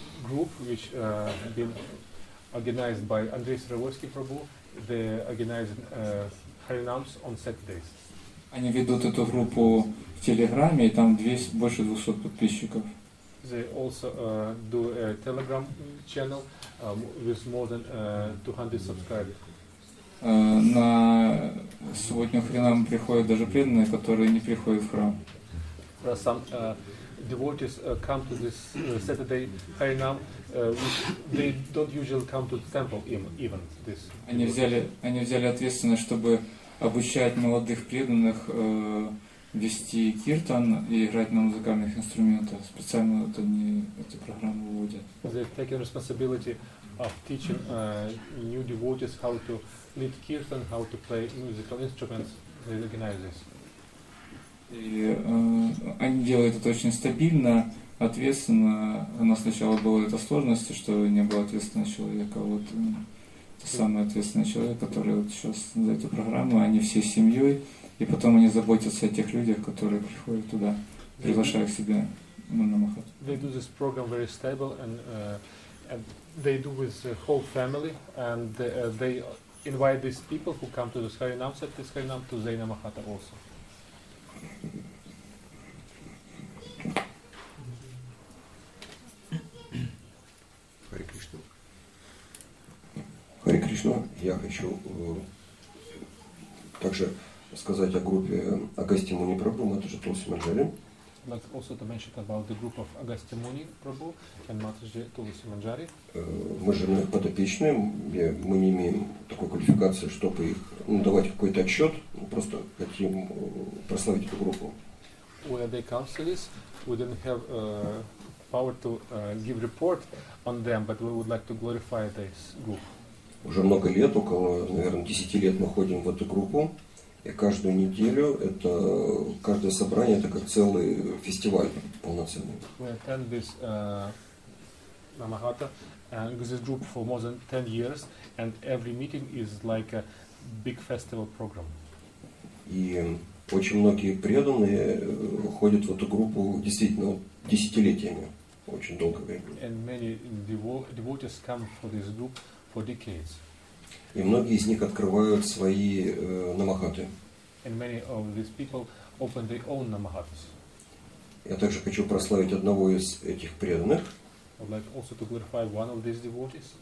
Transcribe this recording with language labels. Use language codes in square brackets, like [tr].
[en] Group, which been organized by Andrei Saravosky Prabhu, the organizing Harinams on Saturdays. [ru] Они ведут эту группу в Телеграме, и там больше 200 подписчиков. [en] They also do a Telegram channel with more than 200 subscribers. [ru] На субботних храмам приходят даже преданные, которые не приходят в храм. [en] Some devotees come to this Saturday Harinam, which they don't usually come to the temple even this. [ru] Они взяли ответственность, чтобы обучать молодых преданных вести киртан и играть на музыкальных инструментах. Специально вот они эти программы вводят. [en] They're taking responsibility of teaching new devotees how to lead kirtan, how to play musical instruments. They organize this. [ru] И они делают это очень стабильно, ответственно. У нас сначала было это сложности, что не было ответственного человека. Вот самый ответственный человек, который вот сейчас за эту программу, они все с семьей. И потом они заботятся о тех людях, которые приходят туда, приглашая к себе на махат. [en] They do this program very stable, and they do with the whole family, and they invite these people who come to the Harinam, at this Harinam, to Zaina Mahata also. Hare Krishna. Hare Krishna. [ru] Я хочу также сказать о группе Агасти Муни Прабху, Матаджи Тулси Манджари. [en] I'd like also to mention about the group of Агасти Муни Прабху and Матаджи Тулси Манджари. [ru] Мы же их подопечные, мы не имеем такой квалификации, чтобы их давать какой-то отчет, мы просто хотим прославить эту группу. [en] Where they counselors, we didn't have power to give report on them, but we would like to glorify this group. [ru] Уже много лет, около, наверное, 10 лет мы ходим в эту группу. И каждую неделю, это каждое собрание, это как целый фестиваль полноценный. [en] We attend this Mahata group for more than 10 years, and every meeting is like a big festival program. [ru] И очень многие преданные ходят в эту группу действительно десятилетиями, очень долгое время. [en] And many devotees come for this group for decades. [ru] И многие из них открывают свои намахаты. [en] And many of these people open their own namahatas. [ru] Я также хочу прославить одного из этих преданных. [en] I'd like also to glorify one of these devotees.